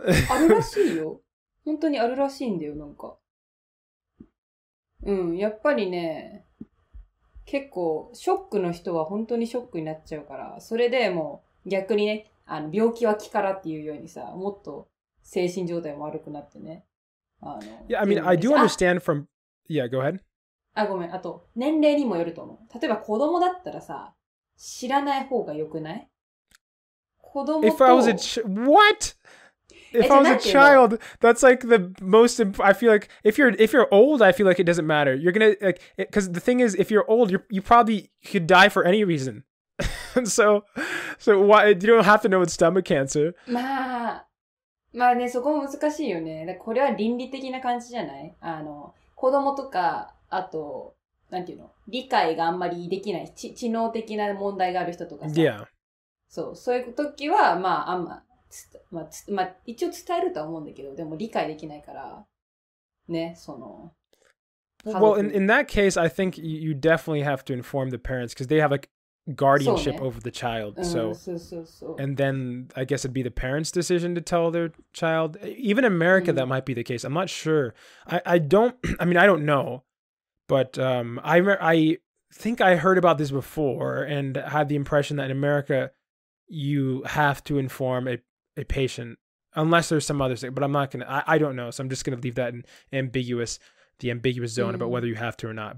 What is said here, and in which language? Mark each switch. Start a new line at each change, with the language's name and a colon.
Japanese: あるらしいよ。本当にあるらしいんだよ。なんかうん、やっぱりね、結構ショックの人は本当にショックになっちゃうから、それでもう逆にね、あの病気は気からっていうようにさ、もっと精神状態も悪くなってね。
English: Yeah, I mean, I do understand from... Yeah, go ahead.
Japanese: あ、ごめん。あと、年齢にもよると思う。例えば子供だったらさ、知らない方が良くない？子供と...
English: If I was a What? If I was a child, that's like the most... I feel like if you're old, I feel like it doesn't matter. You're gonna... like, because the thing is, if you're old, you probably could die for any reason. So why you don't have to know it's stomach cancer?
Japanese: まあ、まあね、そこも難しいよね。だからこれは倫理的な感じじゃない？あの、子供とか、あと、なんていうの？理解があんまりできない、知能的な問題がある人とかさ。
English: Yeah.
Japanese: そう、そういう時は、まあ、あんま、まあ、一応伝えるとは思うんだけど、でも理解できないから、ね、その、
English: Well, in that case, I think you definitely have to inform the parents, because they have a... guardianship、ね、over the child、
Japanese: うん、
English: so,
Japanese: そうそうそう、
English: and then I guess it'd be the parents' decision to tell their child. Even in America、うん、that might be the case. I'm not sure. I don't know, but I think I heard about this before and had the impression that in America you have to inform a patient unless there's some other thing, but I'm not gonna, I don't know, so I'm just gonna leave that in the ambiguous zone、mm. about whether you have to or not.